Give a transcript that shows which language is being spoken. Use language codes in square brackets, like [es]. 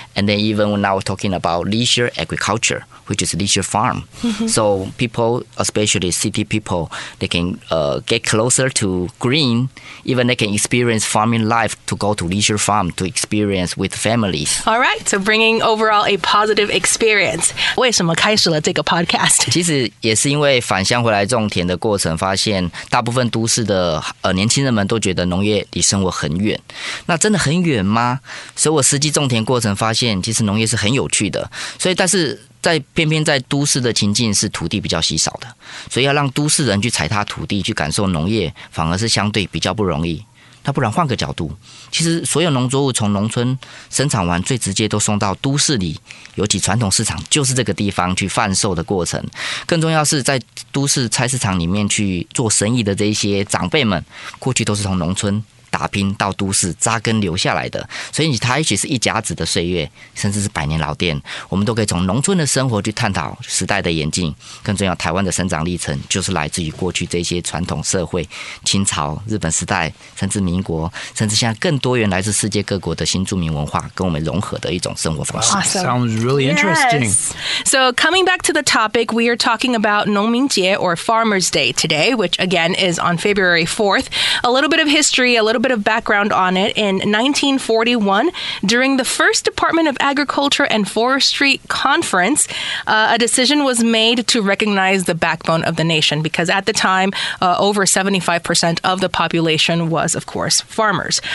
[en] And then even now we're talking about leisure agriculture, which is leisure farm. Mm-hmm. So people, especially city people, they can get closer to green. Even they can experience farming life to go to leisure farm to experience with families. All right. So bringing overall a positive experience. [zh] 为什么开始了这个 [en] podcast? [zh] 其实也是因为返乡回来种田的过程，发现大部分都市的年轻人们都觉得农业离生活很远。那真的很远吗？所以我实际种田过程发现，其实农业是很有趣的。所以但是在偏偏在都市的情境是土地比较稀少的，所以要让都市人去踩踏土地去感受农业反而是相对比较不容易。那不然换个角度，其实所有农作物从农村生产完最直接都送到都市里，尤其传统市场就是这个地方去贩售的过程。更重要是在都市菜市场里面去做生意的这些长辈们，过去都是从农村打拼到都市扎根留下来的，所以他也许是一甲子的岁月，甚至是百年老店，我们都可以从农村的生活去探讨时代的演进。更重要，台湾的生长历程就是来自于过去这些传统社会，清朝、日本时代，甚至民国，甚至现在更多元来自世界各国的新住民文化跟我们融合的一种生活方式。 [en] Awesome. Sounds really interesting. Yes. So coming back to the topic, we are talking about 农民节 or Farmer's Day today, which again is on February 4th. A little bit of history, a little bit of background on it. In 1941, during the first Department of Agriculture and Forestry Conference, a decision was made to recognize the backbone of the nation, because at the time, over 75% of the population was, of course, farmers.